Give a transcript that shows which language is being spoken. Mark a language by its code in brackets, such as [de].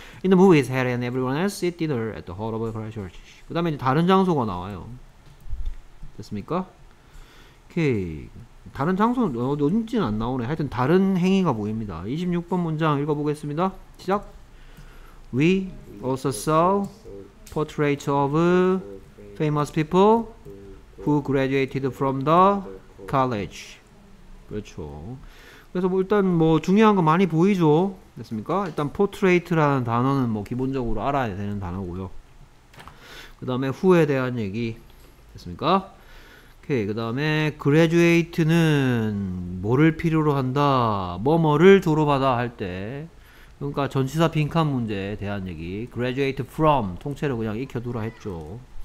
[en] In the movies, Harry and everyone else sit dinner at the hall of Christ Church. [ko] 그 다음에 이제 다른 장소가 나와요. 됐습니까? 오케이. 다른 장소는 어딘지는 안 나오네. 하여튼 다른 행위가 보입니다. 26번 문장 읽어보겠습니다. 시작. [en] We also saw portraits of famous people who graduated from the college. [ko] 그렇죠. 그래서 뭐 일단 뭐 중요한 거 많이 보이죠. 됐습니까? 일단 portrait라는 단어는 뭐 기본적으로 알아야 되는 단어고요. 그 다음에 who에 대한 얘기. 됐습니까? 오케이, 그 다음에 graduate는 뭐를 필요로 한다, 뭐뭐를 졸업하다 할 때, 그러니까 전치사 빈칸 문제에 대한 얘기, graduate from, 통째로 그냥 익혀두라 했죠.